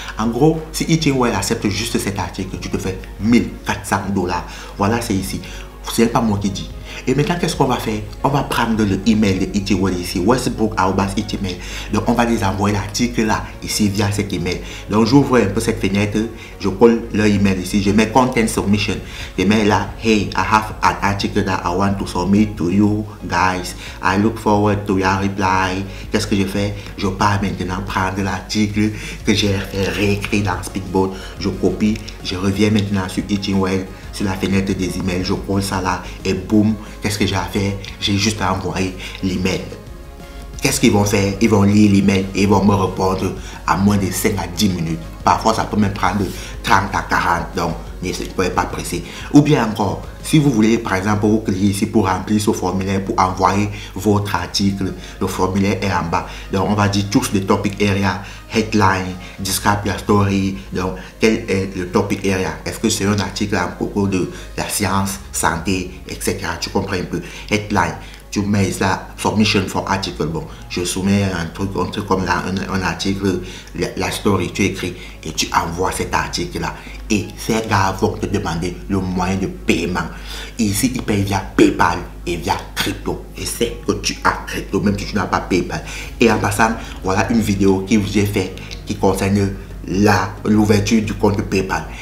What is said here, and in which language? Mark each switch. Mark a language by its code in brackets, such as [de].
[fr] En gros, si Eating Well accepte juste cet article, tu te fais 1400 dollars. Voilà, c'est ici. Ce n'est pas moi qui dis. Et maintenant, qu'est-ce qu'on va faire? On va prendre le email de Eating Well ici, westbrook@email. Donc, on va les envoyer l'article là, ici, via cet email. Donc, j'ouvre un peu cette fenêtre, je colle leur email ici, je mets content submission. Je mets là, [en] hey, I have an article that I want to submit to you guys. I look forward to your reply. [fr] Qu'est-ce que je fais? Je pars maintenant prendre l'article que j'ai réécrit dans Speakboard. Je copie, je reviens maintenant sur Eating Well. Sur la fenêtre des emails, je colle ça là et boum, qu'est-ce que j'ai à faire? J'ai juste à envoyer l'email. Qu'est-ce qu'ils vont faire? Ils vont lire l'email et ils vont me répondre à moins de 5 à 10 minutes. Parfois, ça peut même prendre 30 à 40, donc ne soyez pas pressé. Ou bien encore, si vous voulez, par exemple, vous cliquez ici pour remplir ce formulaire, pour envoyer votre article, le formulaire est en bas. Donc, on va dire tous les topic area, headline, [en] describe your story. [fr] Donc, quel est le topic area? Est-ce que c'est un article à propos de la science, santé, etc. Tu comprends un peu? Headline. Tu mets ça, submission for article. Bon, je soumets un truc comme là, un article, la story, tu écris et tu envoies cet article là. Et ces gars vont te demander le moyen de paiement. Ici, ils payent via PayPal et via crypto. Et c'est que tu as crypto, même si tu n'as pas PayPal. Et en passant, voilà une vidéo que j'ai fait qui concerne l'ouverture du compte PayPal.